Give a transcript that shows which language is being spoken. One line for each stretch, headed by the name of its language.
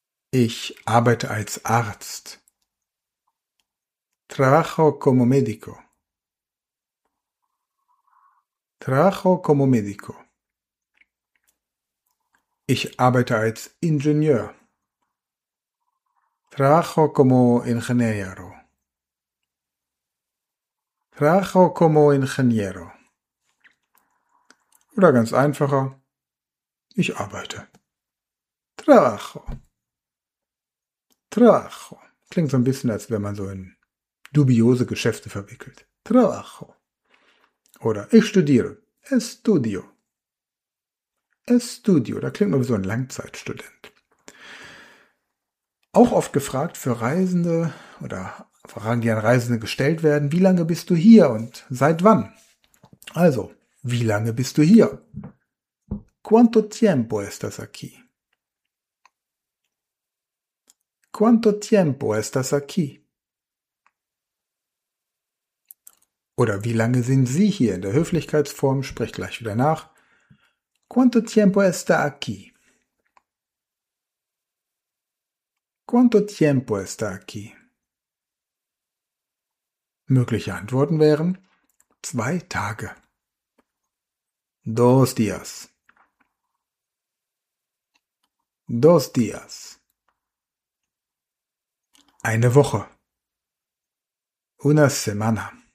German: Ich arbeite als Arzt.
Spanish: Trabajo como médico. Trabajo como médico.
German: Ich arbeite als Ingenieur.
Spanish: Trabajo como ingeniero. Trabajo como ingeniero.
German: Oder ganz einfacher. Ich arbeite.
Spanish: Trabajo. Trabajo.
German: Klingt so ein bisschen, als wenn man so in dubiose Geschäfte verwickelt.
Spanish: Trabajo.
German: Oder ich studiere.
Spanish: Estudio. Estudio.
German: Da klingt man wie so ein Langzeitstudent. Auch oft gefragt für Reisende oder Fragen, die an Reisende gestellt werden. Wie lange bist du hier und seit wann? Also, wie lange bist du hier?
Spanish: ¿Cuánto tiempo estás aquí? ¿Cuánto tiempo estás aquí?
German: Oder wie lange sind Sie hier? In der Höflichkeitsform spricht gleich wieder nach.
Spanish: ¿Cuánto tiempo está aquí? ¿Cuánto tiempo está aquí?
German: Mögliche Antworten wären 2 Tage.
Spanish: Dos días. Dos días.
German: Eine Woche.
Spanish: Una semana.